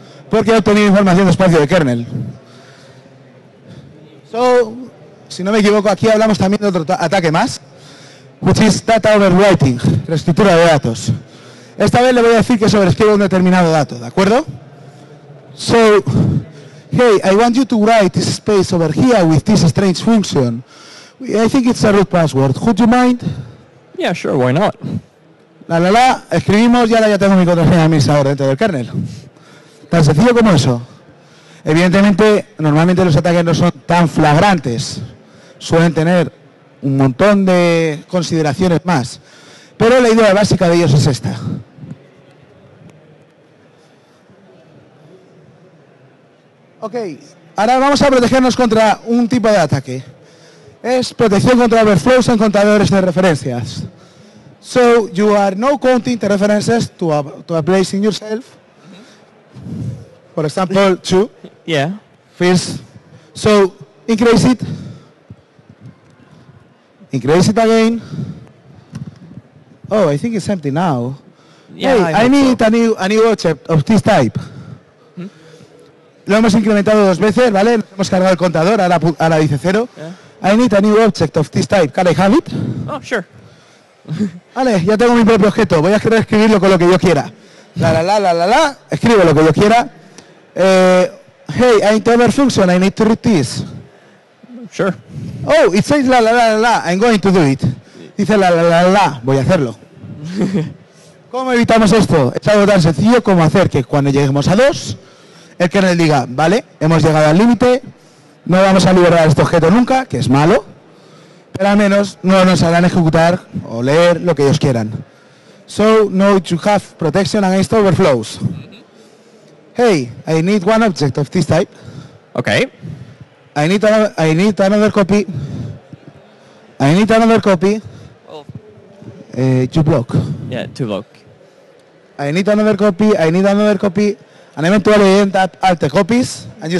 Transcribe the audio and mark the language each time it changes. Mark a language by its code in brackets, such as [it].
[es] Porque he obtenido información de espacio de kernel. So, si no me equivoco, aquí hablamos también de otro ataque más. [en] Which is data overwriting, [es] reescritura de datos. Esta vez le voy a decir que sobreescribe un determinado dato, ¿de acuerdo? [en] So, hey, I want you to write this space over here with this strange function. I think it's a root password. Would you mind? Yeah, sure, why not? [es] La la la, escribimos y ahora ya tengo mi contraseña de administrador dentro del kernel. Tan sencillo como eso. Evidentemente, normalmente los ataques no son tan flagrantes. Suelen tener un montón de consideraciones más. Pero la idea básica de ellos es esta. Ok, ahora vamos a protegernos contra un tipo de ataque. Es protección contra overflows en contadores de referencias. [en] So, you are now counting the references to a place in yourself. For example, 2. Yeah. First, so, increase it. Increase it again. Oh, I think it's empty now. Yeah, hey, I need a new object of this type. [es] Mm-hmm. Lo hemos incrementado 2 veces, ¿vale? Nos hemos cargado el contador, ahora dice 0. [en] Yeah. I need a new object of this type. Can I have it? Oh, sure. [es] Vale, ya tengo mi propio objeto. Voy a querer escribirlo con lo que yo quiera. [en] La la la la la la. [es] Escribo lo que yo quiera. [en] Hey, I need another function. I need to read this. Sure. Oh, it says la la la la la. I'm going to do it. [es] Dice la la la la la. Voy a hacerlo. ¿Cómo evitamos esto? Es algo tan sencillo como hacer que cuando lleguemos a 2, el kernel diga, vale, hemos llegado al límite, no vamos a liberar este objeto nunca, que es malo, pero al menos no nos harán ejecutar o leer lo que ellos quieran. [en] So, now you have protection against overflows. Hey, I need one object of this type. Okay. I need another copy. I need another copy. Well, 2 block. Yeah, 2 block. I need another copy. And eventually end up at the copies. And you